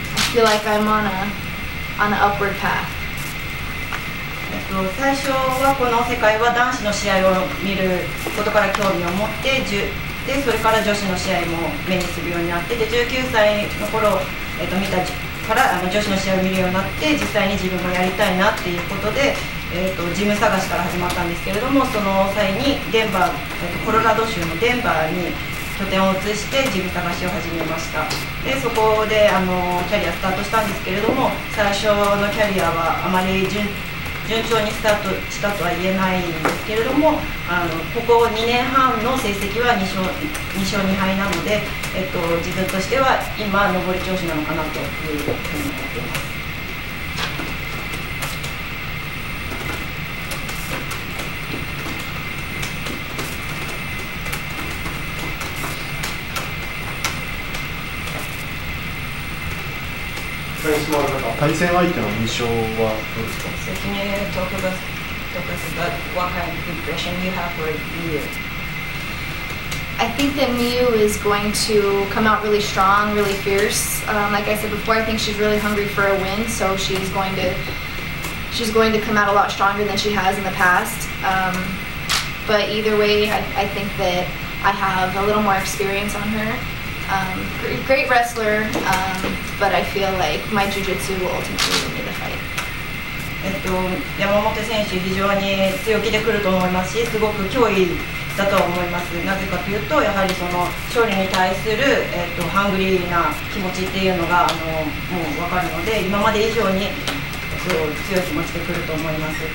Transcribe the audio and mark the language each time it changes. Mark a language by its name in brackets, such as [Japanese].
[English] feel like I'm on a, on an upward path. [Japanese] 最初はこの世界は男子の試合を見ることから興味を持って、でそれから女子の試合も目にするようになって、で19歳の頃、見たからあの女子の試合を見るようになって、実際に自分がやりたいなっていうことで、ジム探しから始まったんですけれども、その際にデンバー、コロラド州のデンバーに拠点を移してジム探しを始めました。でそこであのキャリアスタートしたんですけれども、最初のキャリアはあまり順調にスタートしたとは言えないんですけれども、あのここ2年半の成績は2勝2敗なので、自分としては今上り調子なのかなというふうに思っています。対戦相手の印象はどうですか？ [English] So can you talk about what kind of impression you have for Miu? I think that Miu is going to come out really strong, really fierce. Like I said before, I think she's really hungry for a win, so she's going to come out a lot stronger than she has in the past. But either way, I think that I have a little more experience on her. Great wrestler, but I feel like my jiu-jitsu will ultimately win the fight. [Japanese] 山本選手非常に強気で来ると思いますし、すごく脅威だと思います。なぜかというと、やはりその勝利に対する、ハングリーな気持ちっていうのがあのもう分かるので、今まで以上に強い気持ちで来ると思います。